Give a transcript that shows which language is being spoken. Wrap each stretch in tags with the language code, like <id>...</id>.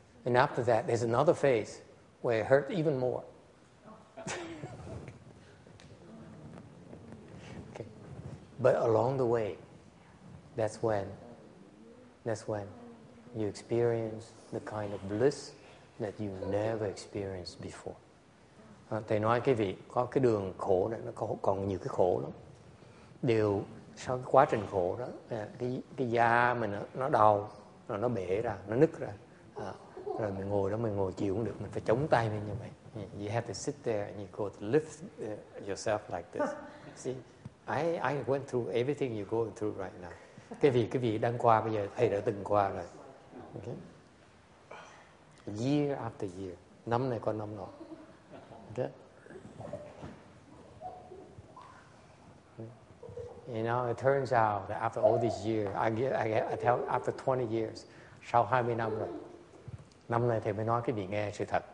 <en>And after that there's another phase where it hurts even more. Okay. But along the way, that's when you experience the kind of bliss that you never experienced before.</en> <vi>Thầy nói quý vị, có cái đường khổ này, nó còn nhiều cái khổ lắm. Điều sau cái quá trình khổ đó, cái da mình nó đau, rồi nó bể ra, nó nứt ra. Rồi mình ngồi đó, mình ngồi chịu cũng được, mình phải chống tay mình như vậy.</vi> <en>You have to sit there and you go to lift yourself like this. See, I went through everything you're going through right now.</en> <vi>Cái vị đang qua bây giờ, thầy đã từng qua rồi. Okay.</vi> <en>Year after year,</en> <vi>năm này qua năm nọ.</vi> <en>You know, it turns out that after all these years, I tell after 20 years,</en> <vi>sau 20 năm rồi, năm nay thầy mới nói cái gì nghe sự thật.</vi>